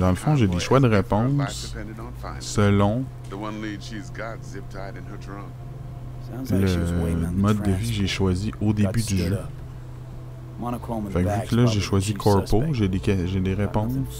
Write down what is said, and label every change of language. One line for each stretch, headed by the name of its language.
French: Dans le fond, j'ai des choix de réponse selon
English: the one lead she's got zip tied in her trunk.
French: Le mode de vie j'ai choisi au début du jeu. Fait que vu que là j'ai choisi Corpo, j'ai des réponses.